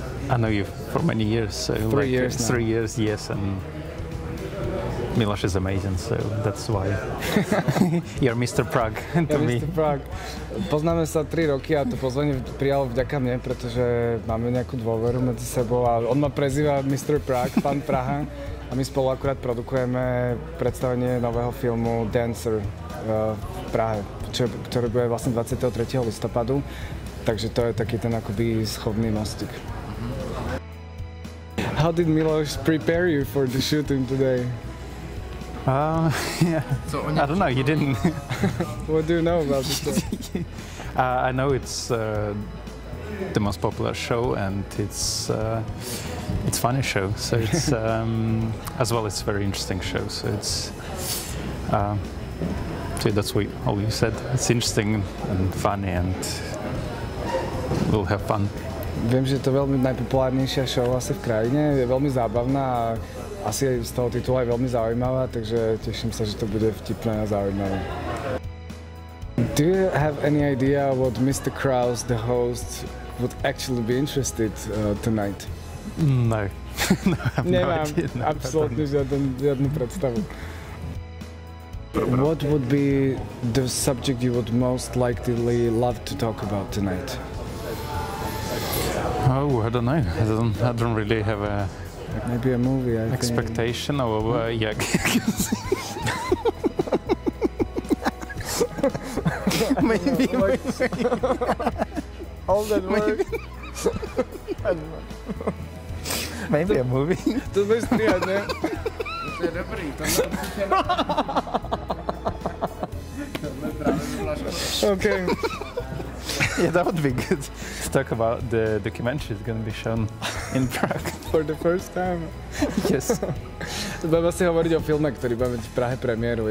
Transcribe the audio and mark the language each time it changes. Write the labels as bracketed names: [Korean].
[English] I know you for many years. So three years, yes. And Miloš is amazing, so that's why you're Mr. Prague to me. Mr. Prague. [Slovak] Poznáme sa 3 roky a to pozvanie prijal vďaka mne, pretože máme nejakú dôveru medzi sebou a on ma prezýva Mr. Prague, pán Praha. A my spolu akurát produkujeme predstavenie nového filmu Dancer v Prahe, ktorý bude vlastne 23. listopadu. Takže to je taký ten akoby schovný mostik. [English] How did Miloš prepare you for the shooting today? Yeah, I don't know, you didn't. What do you know about this show? I know it's the most popular show and it's funny show, so it's as well it's a very interesting show, so it's so that's what all you said. It's interesting and funny and we'll have fun. [Slovak] Viem, že to veľmi najpopulárnejšia show asi v krajine, je veľmi zábavná a asi aj z toho titulu aj veľmi zaujímavá, takže teším sa, že to bude vtipné a zaujímavé. [English] Do you have any idea what Mr. Krause, the host, would actually be interested tonight? No. [Slovak] Nemám absolútne žiadnu predstavu. [English] What would be the subject you would most likely love to talk about tonight? Oh, I don't know. I don't really have a maybe a movie I expectation think. Or yeah. Maybe a movie. All that work. Maybe, maybe a movie. [Czech] To bys ty, ne? To je dobrý, to je [English] okay. Yeah, that would be good to talk about the documentary that's going to be shown in Prague. For the first time. Yes. [Slovak] Budeme si hovoriť o filme, ktorý bude mať v Prahe premiéru.